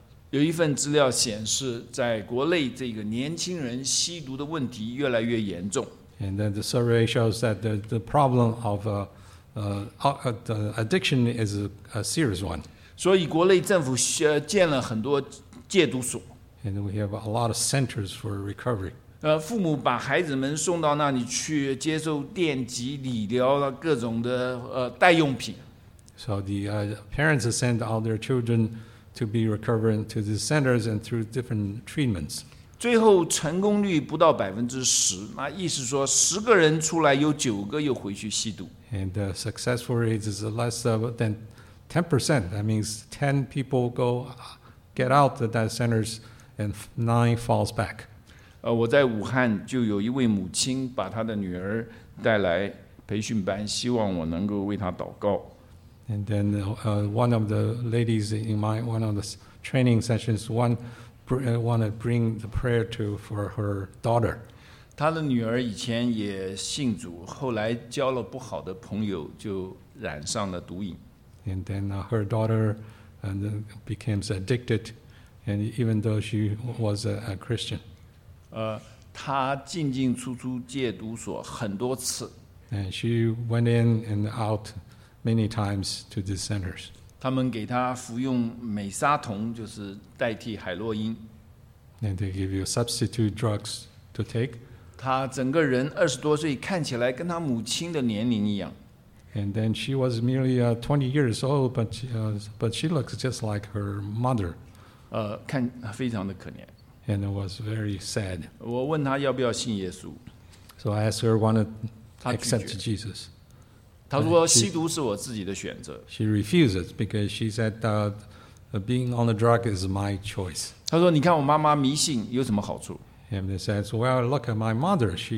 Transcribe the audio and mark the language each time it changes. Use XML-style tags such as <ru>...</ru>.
<zh>有一份资料显示，在国内这个年轻人吸毒的问题越来越严重。</zh> <en>And then the survey shows that the problem of the addiction is a serious one.</en> <zh>所以国内政府建了很多。戒毒所</zh> <en>，and we have a lot of centers for recovery.</en> <zh>父母把孩子们送到那里去接受电击、理疗了各种的代用品。</zh> <en>So the parents send all their children to be recovering to the centers and through different treatments.</en> <zh>最后成功率不到10%，那意思说十个人出来有九个又回去吸毒。</zh> <en>And the successful rate is less than 10%. That means 10 people go. Get out of that centers and 9 falls back.</en> <zh>我在武汉就有一位母亲把她的女儿带来培训班，希望我能够为她祷告。</zh> <en>And then one of the ladies in my one of the training sessions wanted to bring the prayer to for her daughter.</en> <zh>她的女儿以前也信主，后来交了不好的朋友，就染上了毒瘾。</zh> <en>And then her daughter. And became addicted, and even though she was a Christian,</en> <zh>她进进出出戒毒所很多次</zh> <en>and she went in and out many times to the centers.</en> <zh>他们给她服用美沙酮，就是代替海洛因</zh> <en>and they give you substitute drugs to take.</en> <zh>她整个人20多岁，看起来跟她母亲的年龄一样。</zh> <en>And then she was merely 20 years old, but she looks just like her mother.</en> <zh>看非常的可怜。</zh> <en>And it was very sad.</en> <zh>我问她要不要信耶稣。</zh> <en>So I asked her, want to accept Jesus.</en> <zh>她说吸毒是我自己的选择。</zh> <en>She refuses because she said being on the drug is my choice.</en> <zh>她说你看我妈妈迷信有什么好处。</zh> <en>And they said, well, look at my mother.</en>